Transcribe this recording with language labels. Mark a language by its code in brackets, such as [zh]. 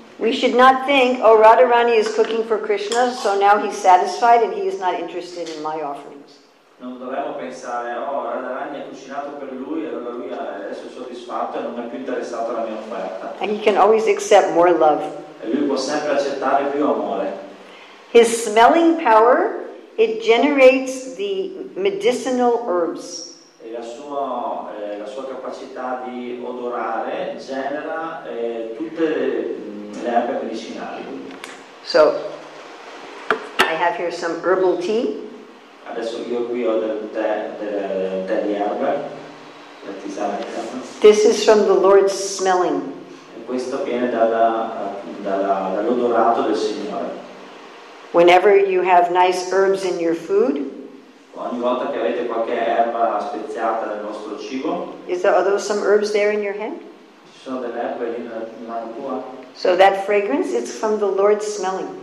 [en] We should not think, oh, Radharani is cooking for Krishna, so now he's satisfied and he is not interested in my offerings. [it] Non non dovremmo pensare, oh, Radharani ha cucinato per lui e allora lui adesso è soddisfatto e non è più interessato alla mia offerta. [en] And he can always accept more love. [it] E lui può sempre accettare più amore. [en] His smelling power, it generates the medicinal herbs. [it] E la sua capacità di odorare genera tutte le erbe medicinali. [en] So, I have here some herbal tea. [it] Adesso io qui ho del tè di erbe, la tisana di erba. [en] This is from the Lord's smelling. [it] E questo viene dall'odorato del Signore. [en] Whenever you have nice herbs in your food, [it] ogni volta che avete qualche erba speziata nel vostro cibo, [en] are those some herbs there in your hand? [it] Ci sono delle erbe lì nella mano tua? [en] So that fragrance, it's from the Lord's smelling.